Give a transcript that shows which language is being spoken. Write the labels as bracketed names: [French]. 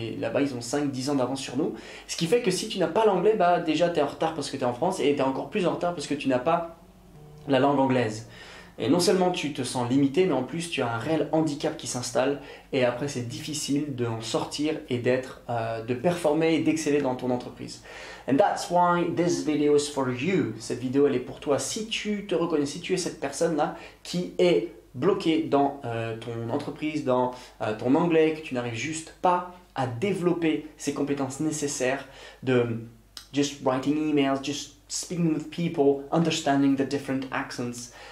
[French] Là-bas ils ont 5-10 ans d'avance sur nous, ce qui fait que si tu n'as pas l'anglais, bah déjà t'es en retard parce que t'es en France et t'es encore plus en retard parce que tu n'as pas la langue anglaise. Et non seulement tu te sens limité, mais en plus tu as un réel handicap qui s'installe et après c'est difficile d'en sortir et de performer et d'exceller dans ton entreprise. [English] And that's why this video is for you. [French] Cette vidéo elle est pour toi si tu te reconnais, si tu es cette personne-là qui est bloquée dans ton entreprise, dans ton anglais, que tu n'arrives juste pas à développer ces compétences nécessaires de [English] just writing emails, just speaking with people, understanding the different accents.